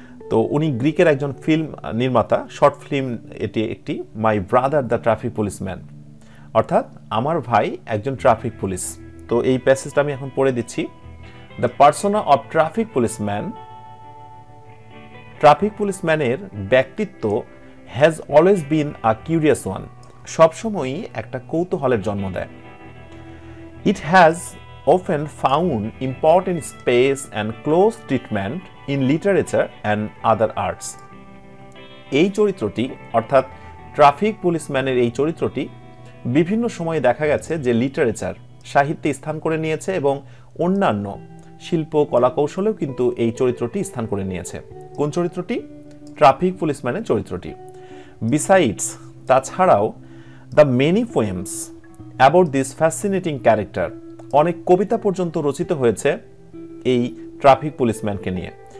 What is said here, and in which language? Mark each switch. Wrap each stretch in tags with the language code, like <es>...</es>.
<bn>তো উনি গ্রিকের একজন ফিল্ম নির্মাতা, শর্ট ফিল্ম এটি একটি,</bn> <en>my brother the traffic policeman,</en> <bn>অর্থাৎ আমার ভাই একজন ট্রাফিক পুলিশ। তো এই প্যাসেজটা আমি এখন পড়ে দিচ্ছি।</bn> <en>the persona of traffic policeman,</en> <bn>traffic পুলিশম্যানের ব্যক্তিত্ব</bn> <en>has always been a curious one,</en> <bn>সবসময়ই একটা কৌতূহলের জন্ম দেয়।</bn> <en>It has often found important space and close treatment in literature and other arts.</en> <bn>এই চরিত্রটি, অর্থাৎ ট্রাফিক পুলিশম্যানের এই চরিত্রটি বিভিন্ন সময়ে দেখা গেছে যে লিটারেচার, সাহিত্যে স্থান করে নিয়েছে এবং অন্যান্য শিল্প কলা কৌশলেও কিন্তু এই চরিত্রটি স্থান করে নিয়েছে। কোন চরিত্রটি? ট্রাফিক পুলিশম্যানের চরিত্রটি। বিসাইডস, তাছাড়াও</bn> <en>the many poems about this fascinating character,</en> <bn>অনেক কবিতা পর্যন্ত রচিত হয়েছে এই ট্রাফিক পুলিশম্যানকে নিয়ে।</bn>